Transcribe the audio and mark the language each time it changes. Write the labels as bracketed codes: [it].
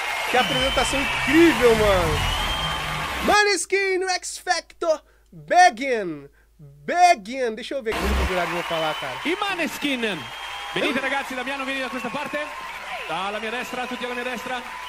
[pt] Que apresentação incrível, mano. Maneskin no X Factor, begging, begging. Deixa eu ver como que o jurado vai falar, cara. E Maneskin. [it] Venite, ragazzi, Damiano, vieni da questa parte. Dalla mia destra, tutti alla mia destra.